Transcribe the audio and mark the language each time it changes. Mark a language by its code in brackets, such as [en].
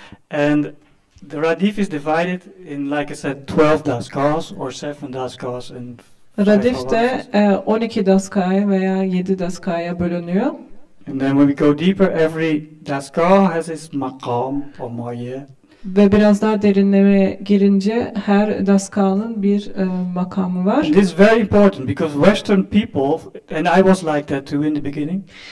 [en] And the radif is divided in, like I said, 12 daskas or 7 daskas and. [tr] Radif de 12 daskaya veya 7 daskaya bölünüyor. [en] And then when we go deeper, every daska has its makam or maye. [tr] Ve biraz daha derinlemeye girince her daskanın bir makamı var. [en] This is very important because Western people, and I was like that too in the beginning.